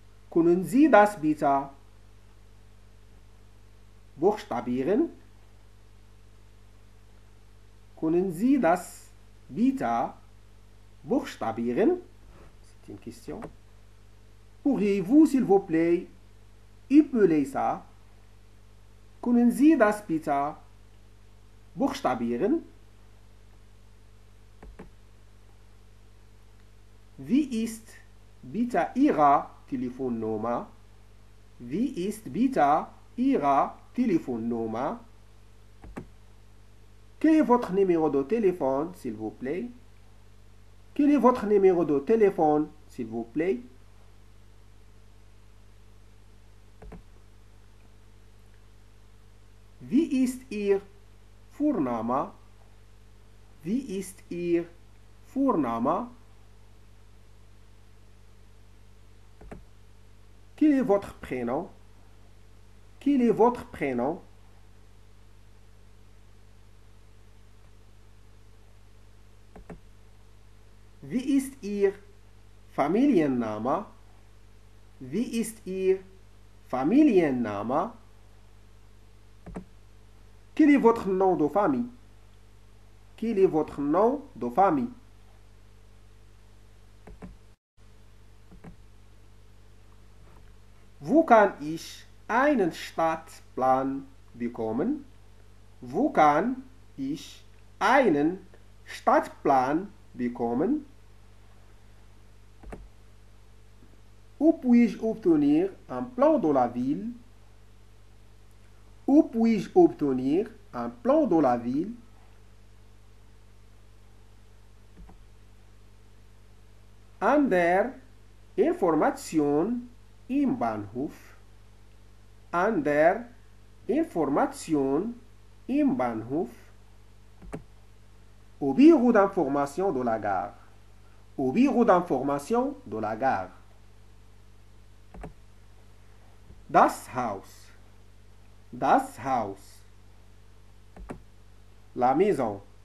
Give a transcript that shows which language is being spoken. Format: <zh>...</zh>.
<de>Können Sie das bitte buchstabieren? Können Sie das bitte buchstabieren?</de> <fr>C'est une question. Pourriez-vous, s'il vous plaît, épeler ça?</fr> <de>Können Sie das bitte buchstabieren? Wie ist bitte Ihre Telefonnummer? Wie ist bitte Ihre Telefonnummer.</de> <fr>Quel est votre numéro de téléphone, s'il vous plaît? Quel est votre numéro de téléphone, s'il vous plaît?</fr> <de>Wie ist Ihr Vorname? Wie ist Ihr Vorname?</de> <fr>Quel est votre prénom? Quel est votre prénom?</fr> <de>Wie ist Ihr Familienname? Wie ist Ihr Familienname?</de> <fr>Quel est votre nom de famille? Quel est votre nom de famille?</fr> <de>Wo kann ich einen Stadtplan bekommen? Wo kann ich einen Stadtplan bekommen?</de> <fr>Où puis-je obtenir un plan de la ville? Où puis-je obtenir un plan de la ville?</fr> <de>An der Information im Bahnhof. An der Information im Bahnhof.</de> <fr>Au bureau d'information de la gare. Au bureau d'information de la gare.</fr> <de>Das Haus. Das Haus.</de> <fr>La maison.</fr>